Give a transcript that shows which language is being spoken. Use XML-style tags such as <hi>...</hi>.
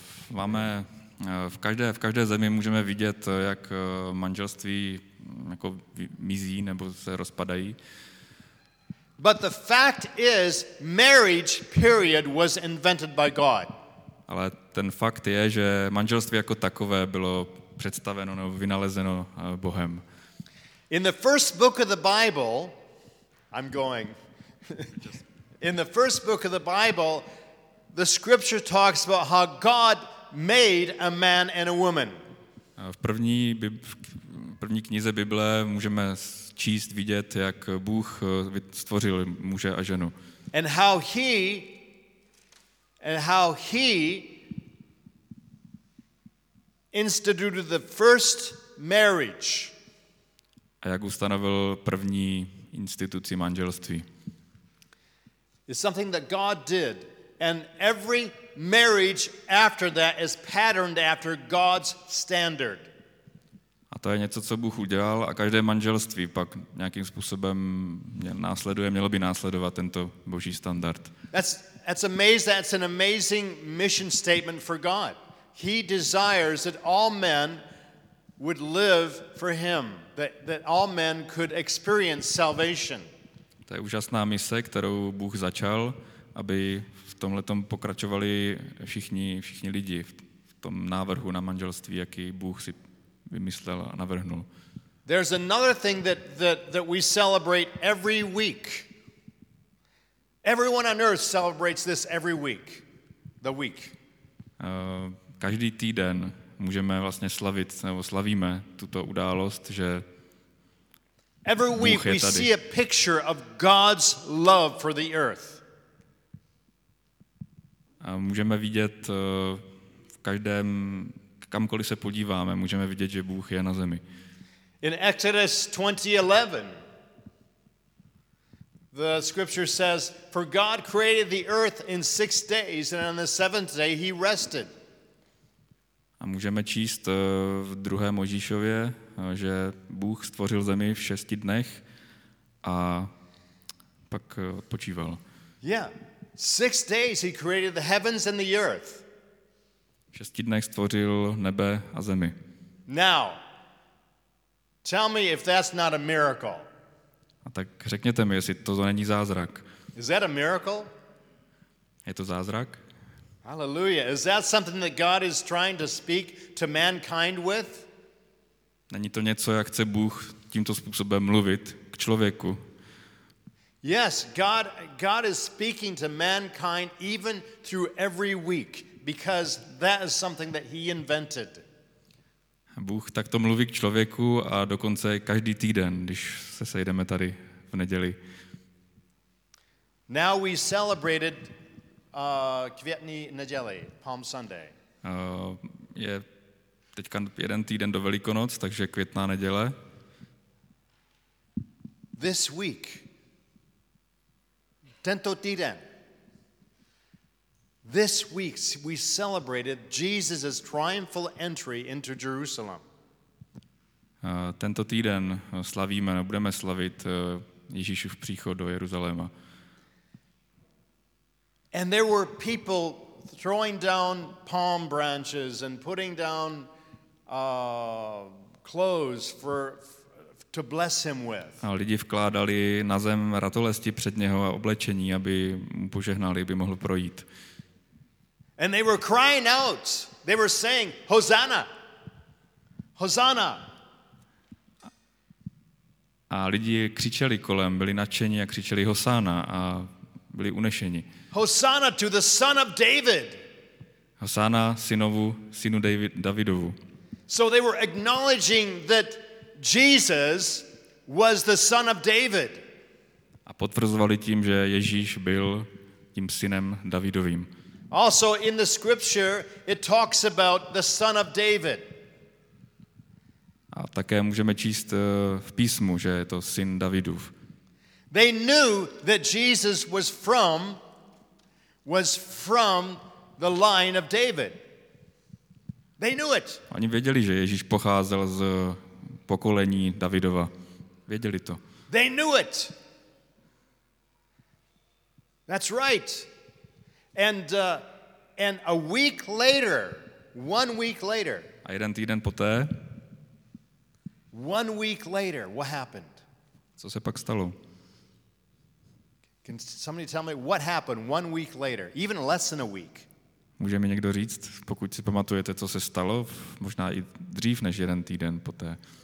<cs>Máme v každé zemi můžeme vidět, jak manželství jako mizí nebo se rozpadají.</cs> <en>But the fact is, marriage period was invented by God.</en> <cs>Ale ten fakt je, že manželství jako takové bylo představeno nebo vynalezeno Bohem.</cs> <en>In the first book of the Bible, I'm going. In the first book of the Bible, the scripture talks about how God made a man and a woman.</en> <cs>V první knize Bible můžeme číst, vidět, jak Bůh stvořil muže a ženu.</cs> <en>And how he instituted the first marriage.</en> <cs>A jak ustanovil první instituci manželství.</cs> <en>It's something that God did, and every marriage after that is patterned after God's standard.</en> <cs>A to je něco, co Bůh udělal, a každé manželství pak nějakým způsobem následuje, mělo by následovat tento boží standard.</cs> <en>That's an amazing mission statement for God. He desires that all men would live for him, that all men could experience salvation.</en> <cs>To je úžasná mise, kterou Bůh začal, aby v tomhle tom pokračovali všichni lidi v tom návrhu na manželství, jaký Bůh si vymyslel a navrhnul.</cs> <en>There's another thing that we celebrate every week. Everyone on earth celebrates this every week. The week.</en> <cs>Každý týden můžeme vlastně slavit, nebo slavíme tuto událost, že</cs> <en>every week we see a picture of God's love for the earth.</en> <cs>A můžeme vidět v každém, kamkoliv se podíváme, můžeme vidět, že Bůh je na zemi.</cs> <en>In Exodus 20:11, the scripture says, "For God created the earth in 6 days, and on the seventh day he rested."</en> <cs>A můžeme číst v 2. Mojžíšově, že Bůh stvořil zemi v 6 dnech a pak odpočíval.</cs> <en>Yeah. 6 days he created the heavens and the earth.</en> <cs>V 6 dnech stvořil nebe a zemi.</cs> <en>Now, tell me if that's not a miracle.</en> <cs>A tak řekněte mi, jestli to není zázrak.</cs> <en>Is that a miracle?</en> <cs>Je to zázrak?</cs> <en>Hallelujah. Is that something that God is trying to speak to mankind with?</en> <cs>Není to něco, jak chce Bůh tímto způsobem mluvit k člověku?</cs> <en>Yes, God is speaking to mankind even through every week, because that is something that he invented.</en> <cs>Bůh takto mluví k člověku a dokonce každý týden, když se sejdeme tady v neděli.</cs> <en>Now we celebrated Květní neděli, Palm Sunday.</en> <cs>Je teďka jeden týden do Velikonoc, takže Květná neděle.</cs> <en>This week,</en> <cs>tento týden,</cs> <en>this week we celebrated Jesus' triumphal entry into Jerusalem.</en> <cs>Tento týden slavíme, budeme slavit Ježíšův příchod do Jeruzaléma.</cs> <en>And there were people throwing down palm branches and putting down clothes to bless him with.</en> <cs>A lidi vkládali na zem ratolesti před něho a oblečení, aby mu požehnali, aby mohl projít.</cs> <en>And they were crying out. They were saying, "Hosanna! Hosanna!"</en> <cs>A lidi křičeli kolem, byli nadšení a křičeli Hosanna a byli unešeni.</cs> <en>Hosanna to the son of David.</en> <cs>Hosanna synu Davidovu.</cs> <en>So they were acknowledging that Jesus was the son of David.</en> <cs>A potvrzovali tím, že Ježíš byl tím synem Davidovým.</cs> <en>Also in the scripture it talks about the son of David.</en> <cs>A také můžeme číst v písmu, že je to syn Davidův.</cs> <en>They knew that Jesus was from the line of David. They knew it.</en> <cs>Oni věděli, že Ježíš pocházel z pokolení Davidova. Věděli to.</cs> <en>They knew it. That's right. And a week later, 1 week later.</en> <cs>A jeden týden poté.</cs> <en>1 week later, what happened?</en> <cs>Co se pak stalo?</cs> <en>Can somebody tell me what happened 1 week later, even less than a week?</en> <cs>Může mi někdo říct, pokud si pamatujete, co se stalo, možná i dřív než jeden týden poté?</cs>